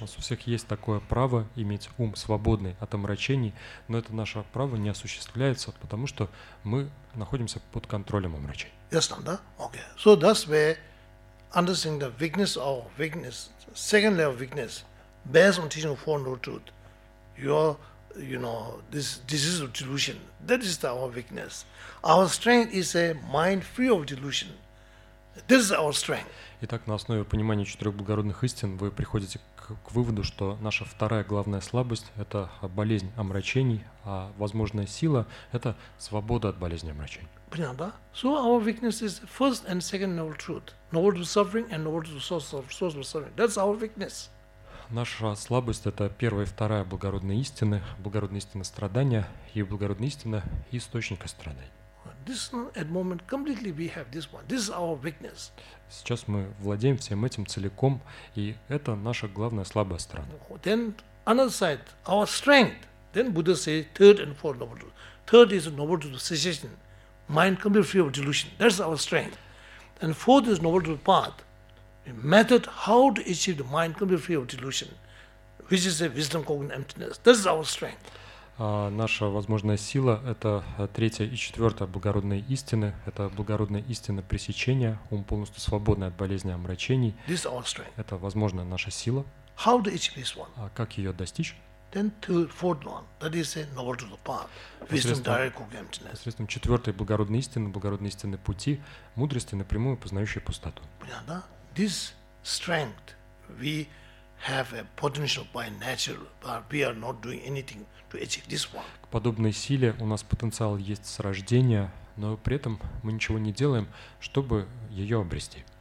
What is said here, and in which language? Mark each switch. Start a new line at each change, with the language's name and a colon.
Russian: У нас у всех есть такое право иметь ум свободный от омрачений, но это наше право не осуществляется, потому что мы находимся под контролем омрачений. Ясно, да?
English: Okay. So that's where understanding the weakness of weakness, second level of weakness, based on teaching of four noble truth, this disease of delusion, that is our weakness. Our strength is a mind free of delusion. This is our strength.
Russian: Итак, на основе понимания четырех благородных истин вы приходите к выводу, что наша вторая главная слабость – это болезнь омрачений, а возможная сила – это свобода от болезни омрачений. Понятно, да?
English: So our weakness is first and second noble truth. Knowledge of suffering and knowledge of source of suffering. That's our weakness.
Russian: Наша слабость – это первая и вторая благородные истины страдания и благородные истины источника страданий.
English: This at moment completely we have this one. This is our weakness.
Russian: Сейчас мы владеем всем этим целиком, и это наша главная слабая сторона.
English: Then another side, our strength. Then Buddha say third and fourth noble truth. Third is noble truth of cessation, mind completely free of delusion. That's our strength. And fourth is noble truth path, method how to achieve the mind completely free of delusion, which is a wisdom cognizant emptiness. This is our strength.
Russian: Наша возможная сила – это третья и четвертая благородные истины. Это благородная истина пресечения, ум полностью свободный от болезни омрачений.
English: This is our strength.
Russian: Это возможная наша сила.
English: How to achieve this one?
Russian: Как ее достичь?
English: Then to fourth one, that is a noble truth of path, wisdom direct cognizant emptiness.
Russian: Посредством четвертой благородной истины пути, мудрости напрямую познающей пустоту. Понятно, да?
English: This strength we have a potential by nature, but we are not doing anything.
Russian: К подобной силе у нас потенциал есть с рождения, но при этом мы ничего не делаем, чтобы ее обрести.